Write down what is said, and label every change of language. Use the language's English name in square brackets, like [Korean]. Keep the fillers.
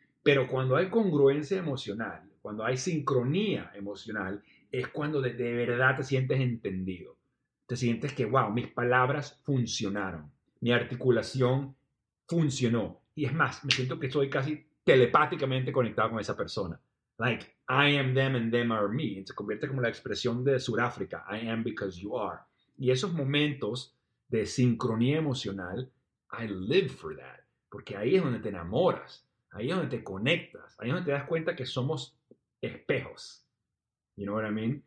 [Spanish] Pero cuando hay congruencia emocional, cuando hay sincronía emocional, es cuando de, de verdad te sientes entendido. Te sientes que, wow, mis palabras funcionaron, mi articulación funcionó. Y es más, me siento que estoy casi telepáticamente conectado con esa persona. [English] Like, I am them and them are me. [Spanish] Se convierte como la expresión de Sudáfrica, [English] I am because you are. [Spanish] Y esos momentos de sincronía emocional, [English] I live for that. [Spanish] Porque ahí es donde te enamoras, ahí es donde te conectas, ahí es donde te das cuenta que somos espejos. [English] You know what I mean?